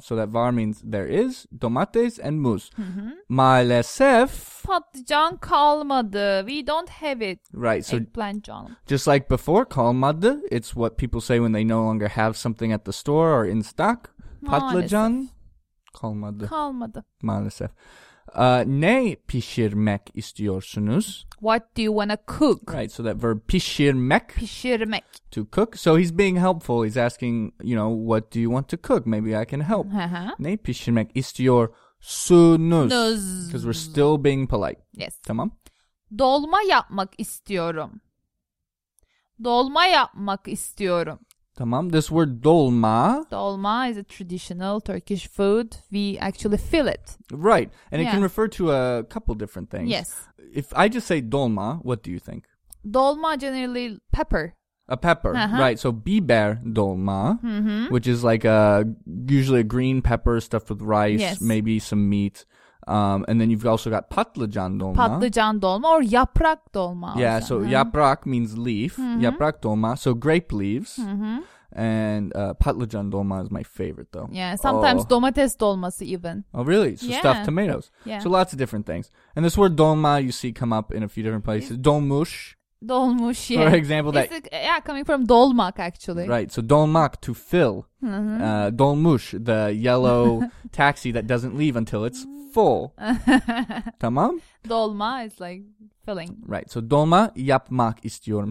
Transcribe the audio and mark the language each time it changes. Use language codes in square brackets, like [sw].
[en] So that var means there is domates and muz. Mm-hmm. [tr] Maalesef patlıcan kalmadı. [en] We don't have it. Right. So eggplant, John. Just like before, kalmadı, it's what people say when they no longer have something at the store or in stock. [tr] Maalesef. Patlıcan kalmadı. Kalmadı. Maalesef. Ne pişirmek istiyorsunuz? [en] What do you want to cook? Right, so that verb pişirmek. [tr] Pişirmek. [en] To cook. So he's being helpful. He's asking, you know, what do you want to cook? Maybe I can help. Uh-huh. [tr] Ne pişirmek istiyorsunuz? [en] Because we're still being polite. Yes. [tr] Tamam. Dolma yapmak istiyorum. Dolma yapmak istiyorum. [en] Tamam. This word dolma. Dolma is a traditional Turkish food. We actually fill it. Right. And it can refer to a couple different things. Yes. If I just say dolma, what do you think? Dolma generally pepper. A pepper. Uh-huh. Right. So biber dolma, which is like usually a green pepper stuffed with rice, maybe some meat. And then you've also got patlıcan dolma. [tr] Patlıcan dolma or yaprak dolma. [en] Yeah, so yaprak means leaf. Mm-hmm. Yaprak dolma, so grape leaves. Mm-hmm. And patlıcan dolma is my favorite though. Yeah, sometimes domates dolması even. Oh, really? So stuffed tomatoes. Yeah. So lots of different things. And this word dolma you see come up in a few different places. [tr] Dolmuş. Dolmuş, [en] yeah. For example, that. Coming from dolmak, actually. Right, so dolmak, to fill. Mm-hmm. Dolmuş, the yellow taxi that doesn't leave until it's full. [tr] Tamam? [en] Dolma is like filling. Right, so [tr] dolma yapmak istiyorum.